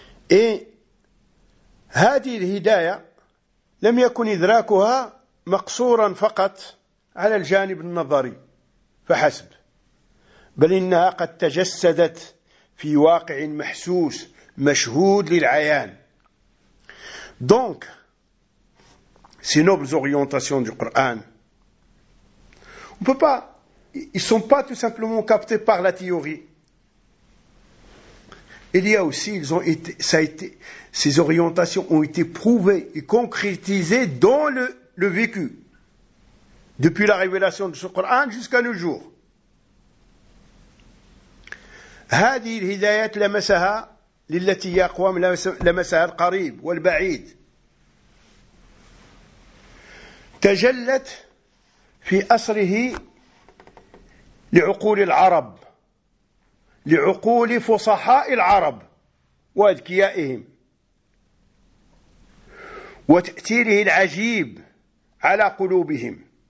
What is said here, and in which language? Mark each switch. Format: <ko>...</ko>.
<ar>Et هذه الهداية لم يكن إدراكها مقصورا فقط على الجانب النظري فحسب بل إنها قد تجسدت في واقع محسوس مشهود للعيان.</ar> <fr>Donc ces nobles orientations du Coran, on peut pas, ils sont pas tout simplement captés par la théorie. Il y a aussi, ils ont été, ça a été, ces orientations ont été prouvées et concrétisées dans le vécu, depuis la révélation de ce Coran jusqu'à nos jours.</fr> <ar>هذه الهدايات لمسها للتي هي أقوى لمسها القريب والبعيد تجلت في أصله لعقول العرب لعقول فصحاء العرب وأذكيائهم وتأثيره العجيب على قلوبهم</ar>